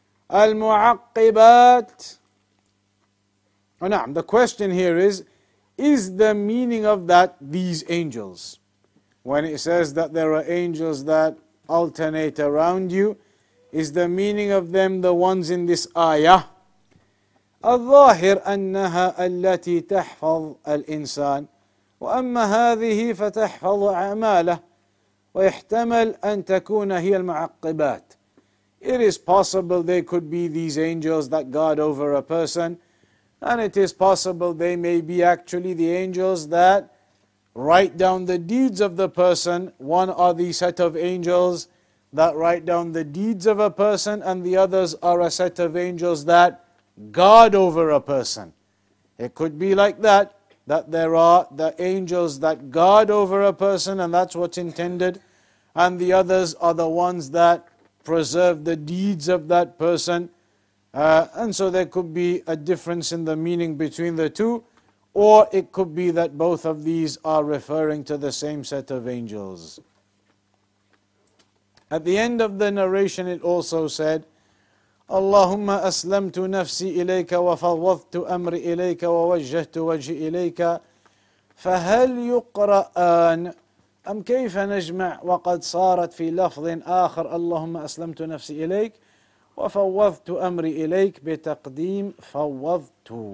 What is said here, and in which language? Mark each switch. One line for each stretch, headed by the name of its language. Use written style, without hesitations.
English: Al-mu'aqibat. Oh, no. The question here is the meaning of that these angels? When it says that there are angels that alternate around you, is the meaning of them the ones in this ayah?
Arabic: الظاهر أنها التي تحفظ الإنسان وأما هذه فتحفظ أعماله ويحتمل أن تكون هي المعقبات.
English: It is possible they could be these angels that guard over a person, and it is possible they may be actually the angels that write down the deeds of the person. One are the set of angels that write down the deeds of a person, and the others are a set of angels that guard over a person. It could be like that, that there are the angels that guard over a person, and that's what's intended, and the others are the ones that preserve the deeds of that person. And so there could be a difference in the meaning between the two, or it could be that both of these are referring to the same set of angels. At the end of the narration it also said,
Arabic: اللهم أسلمت نفسي إليك وفوضت أمري إليك ووجهت وجهي إليك فهل يقرأان أم كيف نجمع وقد صارت في لفظ آخر اللهم أسلمت نفسي إليك وفوضت أمري إليك بتقديم فوضت.